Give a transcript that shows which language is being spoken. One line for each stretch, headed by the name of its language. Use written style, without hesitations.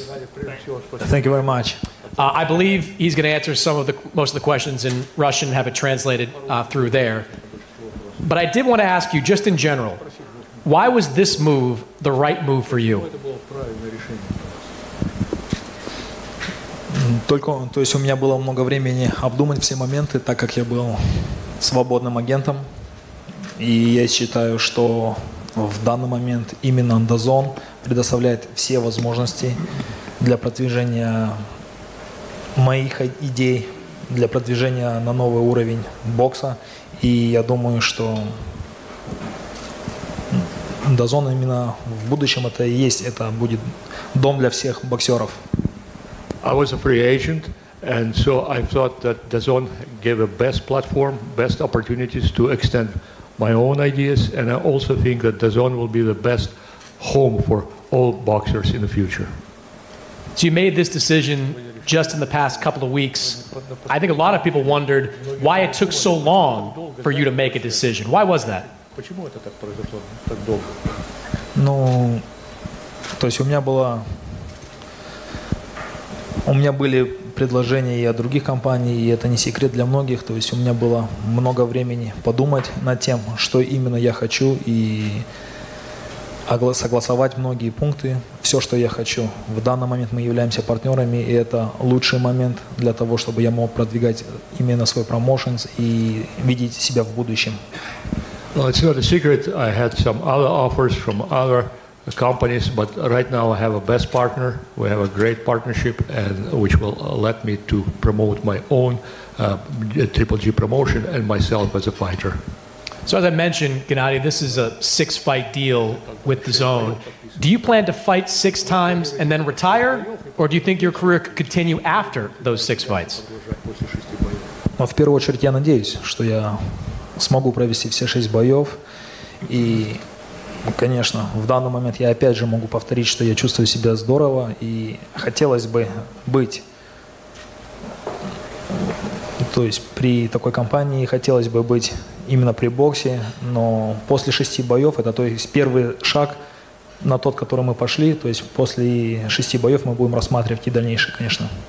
English: Thank you very much. I believe he's going to answer most of the questions in Russian and have it translated through there. But I did want to ask you, just in general, why was this move the right move for you?
Russian: Только, то есть у меня было много времени обдумать все моменты, так как я был свободным агентом, и я считаю, что в данный момент именно DAZN предоставляет все возможности для продвижения моих идей, для продвижения на новый уровень бокса. И я думаю, что DAZN именно в будущем это и есть, это будет дом для всех боксеров.
English: I was a free agent, and so I thought that DAZN gave the best platform, best opportunities to extend my own ideas, and I also think that DAZN will be the best home for all boxers in the future. So you made this decision just in the past couple of weeks. I think a lot of people wondered why it took so long for you to make a decision. Why was that?
Russian: Ну, то есть у меня были предложения и от других компаний, и это не секрет для многих. То есть у меня было много времени подумать над тем, что именно я хочу, и согласовать многие пункты, все, что я хочу. В данный момент мы являемся партнерами, и это лучший момент для того, чтобы я мог продвигать именно свой промоушен и видеть себя в будущем.
English: Well, it's not a secret. I had some other offers from other companies, but right now I have a best partner. We have a great partnership, and which will let me to promote my own Triple G promotion and myself as a fighter. So as I mentioned, Gennady, this is a six-fight deal with DAZN. Do you plan to fight six times and then retire, or do you think your career could continue after those six fights?
Russian: Ну, в первую очередь, я надеюсь, что я смогу провести все шесть боев. И, конечно, в данный момент я опять же могу повторить, что я чувствую себя здорово, и хотелось бы быть, то есть при такой компании хотелось бы быть именно при боксе, но после шести боев, это то есть первый шаг на тот, который мы пошли, то есть после шести боев мы будем рассматривать и дальнейшее, конечно.